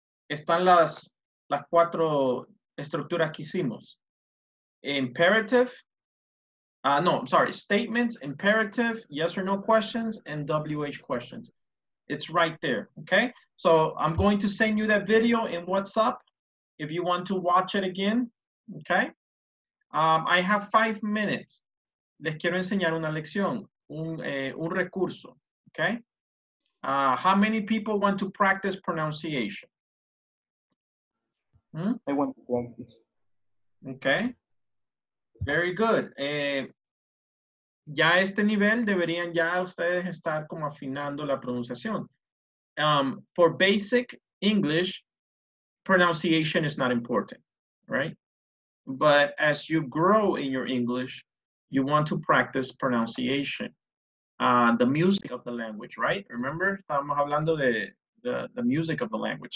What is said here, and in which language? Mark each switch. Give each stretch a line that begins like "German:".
Spanish: Están las cuatro estructuras que hicimos. Imperative.
English: Statements, imperative, yes or no questions, and WH questions. It's right there, okay? So I'm going to send you that video in WhatsApp if you want to watch it again, okay? I have 5 minutes.
Spanish: Les quiero enseñar una lección, un recurso, okay?
English: How many people want to practice pronunciation? I want to practice. Okay. Very good.
Spanish: Ya a este nivel deberían ya ustedes estar como afinando la pronunciación.
English: For basic English, pronunciation is not important, right? But as you grow in your English, you want to practice pronunciation. The music of the language, right? Remember,
Spanish: estábamos hablando de
English: the music of the language.